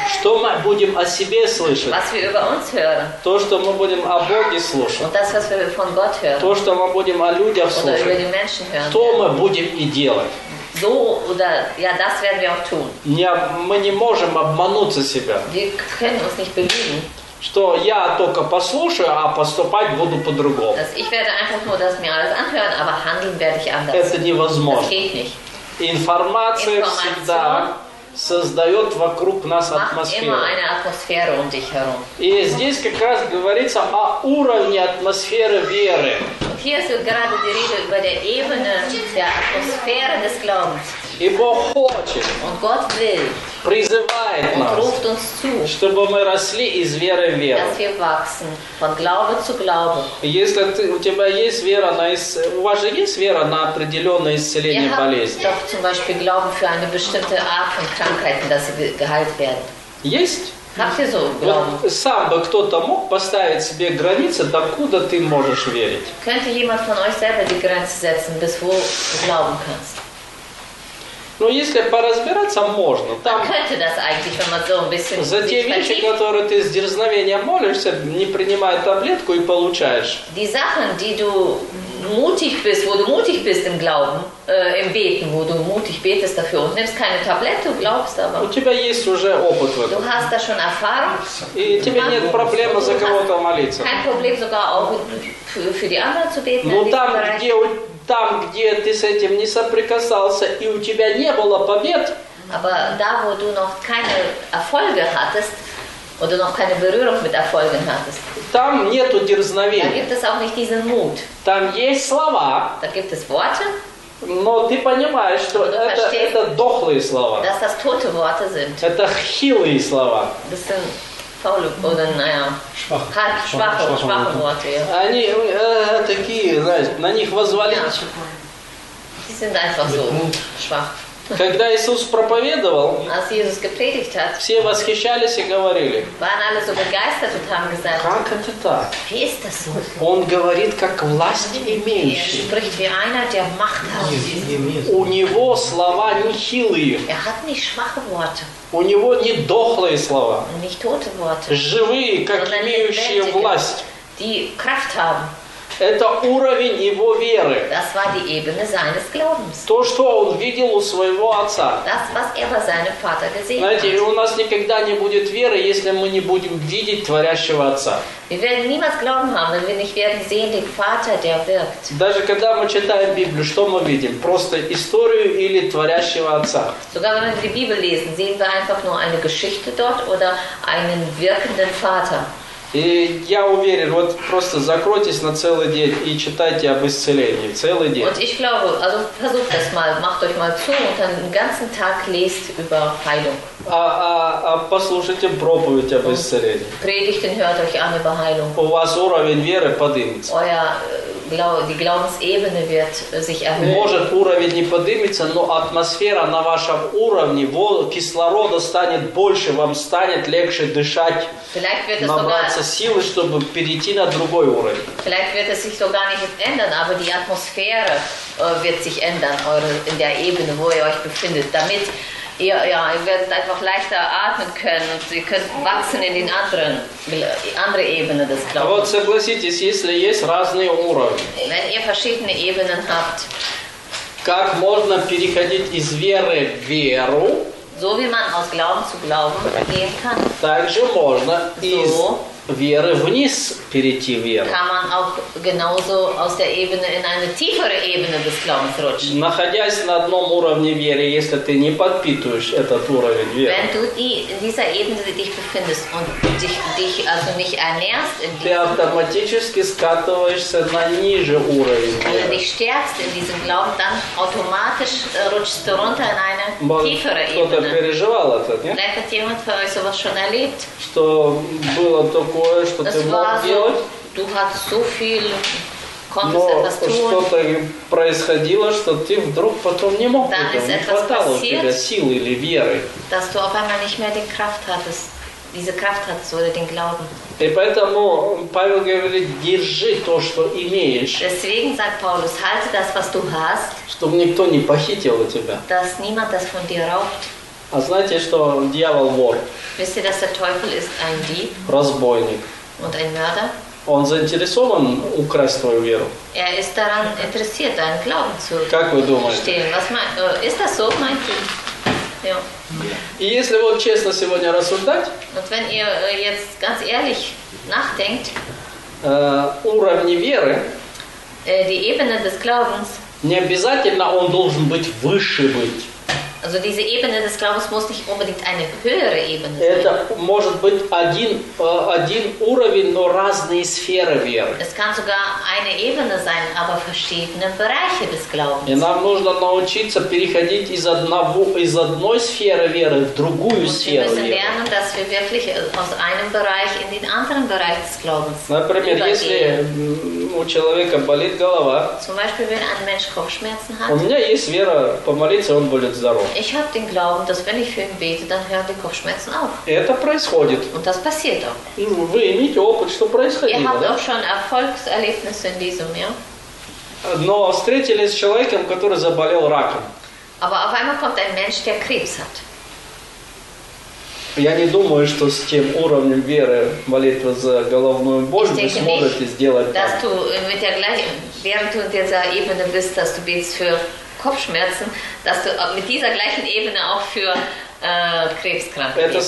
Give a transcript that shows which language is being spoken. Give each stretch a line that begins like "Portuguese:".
Russian: Что мы будем о себе слышать, то, что мы будем о Боге слушать,
German: von Gott hören,
Russian: то, что мы будем о людях слушать,
German: über die Menschen hören,
Russian: то мы будем и делать.
German: So, oder, ja, das werden wir auch tun.
Russian: Мы не можем обмануться себя.
German: Wir können uns nicht belügen.
Russian: Что я только послушаю, а поступать буду по-другому.
German: Das, ich werde einfach nur das mir alles anhören, aber handeln werde ich anders.
Russian: Это невозможно.
German: Das geht nicht.
Russian: Информация всегда создает вокруг нас атмосферу.
German: Immer eine Atmosphäre um dich herum.
Russian: И здесь как раз говорится о уровне атмосферы веры.
German: Hier ist gerade die Rede über der Ebene der Atmosphäre des Glaubens.
Russian: И Бог хочет.
German: Und Gott will,
Russian: призывает
German: und
Russian: нас,
German: ruft uns zu,
Russian: чтобы мы росли из веры в веру.
German: Dass wir wachsen, von Glaube zu Glaube.
Russian: Если ты, у тебя есть вера на, у вас же есть вера на определенное исцеление болезни.
German: Doch zum Beispiel Glauben für eine bestimmte Art von Krankheiten, dass sie geheilt werden.
Russian: Есть?
German: Habt ihr so Glauben?
Russian: Вот сам бы кто-то мог поставить себе границы, докуда ты можешь верить?
German: Könnte jemand von euch selber die Grenze setzen, bis wo du glauben kannst?
Russian: Ну, если поразбираться, можно. Там,
German: das wenn man so ein bisschen
Russian: за те вещи, которые ты с дерзновением молишься, не принимая таблетку и получаешь.
German: Die Sachen, die du mutig bist, wo du mutig bist im Glauben, im Beten, wo du mutig betest dafür und nimmst keine Tablette, glaubst aber.
Russian: У тебя есть уже опыт в этом.
German: Du hast da schon Erfahrung.
Russian: И тебе нет проблем за кого-то молиться.
German: Kein Problem sogar auch für die anderen zu beten.
Russian: Ну, там, где ты с этим не соприкасался и у тебя не было побед.
German: Aber da, wo du noch keine Erfolge hattest, oder noch keine Berührung mit Erfolgen hattest.
Russian: Там нету дерзновения.
German: Da gibt es auch nicht diesen Mut.
Russian: Там есть слова.
German: Da gibt es Worte.
Russian: Но ты понимаешь, что это дохлые слова.
German: Dass das tote Worte sind.
Russian: Это хилые слова.
German: Das sind faule, oder naja, schwache Worte. Ja.
Russian: Они такие, знаешь, на них возвалить.
German: Ja. Die sind einfach so schwach.
Russian: Когда Иисус проповедовал,
German: hat,
Russian: все восхищались и говорили,
German: so gesagt,
Russian: как это так?
German: Wie ist das so?
Russian: Он говорит, как власть имеющий.
German: Spricht, wie einer, der Macht hat.
Russian: У него слова не хилые.
German: Er hat nicht schwache Worte.
Russian: У него не дохлые слова.
German: Nicht tote Worte.
Russian: Живые, как
German: Sondern
Russian: имеющие
German: lebendige,
Russian: власть.
German: Die Kraft haben.
Russian: Это уровень его веры.
German: Das war die Ebene seines Glaubens.
Russian: То, что он видел у своего отца.
German: Das, was er bei seinem Vater gesehen hat.
Russian: Знаете, и у нас никогда не будет веры, если мы не будем видеть творящего отца.
German: Wir werden niemals Glauben haben, wenn wir nicht werden sehen den Vater, der wirkt.
Russian: Даже когда мы читаем Библию, что мы видим? Просто историю или творящего отца?
German: Sogar wenn wir die Bibel lesen, sehen wir einfach nur eine Geschichte dort oder einen wirkenden Vater.
Russian: И я уверен, вот просто закройтесь на целый день и читайте об исцелении. Целый день.
German: Und ich glaube, also versucht das mal, macht euch mal zu und dann den ganzen Tag lest über Heilung.
Russian: А послушайте проповедь об исцелении.
German: Predigten hört euch an über Heilung.
Russian: У вас уровень веры поднимется.
German: Die Glaubensebene wird sich erhöhen.
Russian: Может уровень не поднимется, но атмосфера на вашем уровне, кислорода станет больше, вам станет легче дышать.
German: Vielleicht wird es sogar
Russian: силы, чтобы перейти на другой уровень.
German: Vielleicht wird es sich sogar nicht ändern, aber die Atmosphäre wird sich ändern in der Ebene, wo ihr euch befindet, damit ihr werdet einfach leichter atmen können und ihr könnt wachsen in den anderen andere Ebene des Glaubens.
Russian: Вот согласитесь, если есть разные уровни.
German: Wenn ihr verschiedene Ebenen habt,
Russian: как можно переходить из веры в веру?
German: So wie man aus Glauben zu Glauben gehen kann.
Russian: Также можно из
German: Wäre
Russian: вниз перейти вверх.
German: Kann man auch genauso aus der Ebene in eine tiefere Ebene des Glaubens rutschen.
Russian: Находясь на одном уровне веры, если ты не подпитываешь этот уровень веры.
German: Wenn du in dieser Ebene dich befindest und dich also nicht ernährst, in diesem,
Russian: ты автоматически скатываешься на ниже уровень веры.
German: Wenn du dich stärkst in diesem Glauben, dann automatisch rutschst du runter in eine tiefere Ebene.
Russian: Кто-то переживал это, нет?
German: Vielleicht hat jemand von euch sowas schon erlebt.
Russian: Что было то такое, что
German: das
Russian: ты мог
German: so,
Russian: делать,
German: du hast so viel,
Russian: но что-то происходило, что ты вдруг потом не мог
German: dann
Russian: этого, не хватало
German: passiert,
Russian: у тебя силы или веры.
German: Dass du auf einmal nicht mehr die Kraft hattest, diese Kraft hattest oder den Glauben.
Russian: И поэтому Павел говорит, держи то, что имеешь.
German: Deswegen sagt Paulus, halte das, was du hast.
Russian: Чтобы никто не похитил у тебя.
German: Dass niemand das von dir raubt.
Russian: А знаете, что дьявол вор?
German: Wisst ihr, dass der Teufel ist ein Dieb?
Russian: Разбойник.
German: Und ein Mörder?
Russian: Он заинтересован украсть твою веру.
German: Er ist daran interessiert, deinen Glauben zu stehlen.
Russian: Как вы думаете?
German: Was ist das so, meint ihr? Ja.
Russian: И если вот честно сегодня рассуждать?
German: Und wenn ihr jetzt ganz ehrlich nachdenkt?
Russian: Уровни веры?
German: Die Ebene des Glaubens?
Russian: Не обязательно он должен быть выше быть.
German: Also diese Ebene des Glaubens muss nicht unbedingt eine höhere Ebene sein.
Russian: Это может быть один уровень, но разные сферы веры.
German: Es kann sogar eine Ebene sein, aber verschiedene Bereiche des Glaubens.
Russian: И нам нужно научиться переходить из одной сферы веры в другую сферу веры.
German: Und wir müssen lernen, dass wir wirklich aus einem Bereich in den anderen Bereich des Glaubens übergehen.
Russian: Например, если у человека болит голова,
German: zum Beispiel, wenn ein Mensch Kopfschmerzen hat,
Russian: у меня есть вера помолиться, он будет здоров.
German: Ich habe den Glauben, dass wenn ich für ihn bete, dann hören die Kopfschmerzen auf.
Russian: Это происходит.
German: Und das passiert auch.
Russian: Вы имеете опыт, что происходило,
German: ihr habt
Russian: да?
German: auch schon Erfolgserlebnisse in diesem, ja?
Russian: Но встретились с человеком, который заболел раком.
German: Aber auf einmal kommt ein Mensch, der Krebs hat.
Russian: Я не думаю, что с тем уровнем веры молитва за головную боль вы сможете сделать так.
German: Ich denke nicht, dass du, während du in dieser Ebene bist, dass du betest für Kopfschmerzen, dass du mit dieser gleichen Ebene auch für Krebskrank bist.